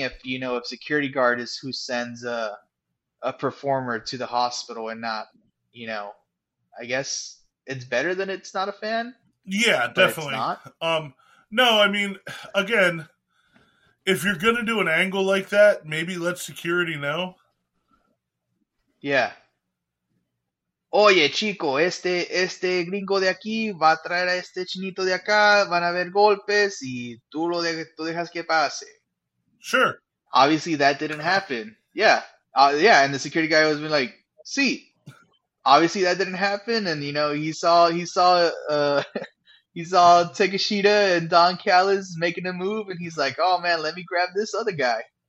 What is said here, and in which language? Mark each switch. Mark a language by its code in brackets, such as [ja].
[en] If, you know, if security guard is who sends a performer to the hospital and not, you know, I guess it's better than it's not a fan. Yeah, definitely. No, I mean, again, if you're going to do an angle like that, maybe let security know. Yeah. [es] Oye, chico, este gringo de aquí va a traer a este chinito de acá, van a haber golpes, y tú dejas que pase. [en] Sure. Obviously, that didn't happen. Yeah. Yeah, and the security guy was being like, sí. Obviously, that didn't happen, and, you know, he saw Takeshita and Don Callis making a move, and he's like, oh, man, let me grab this other guy.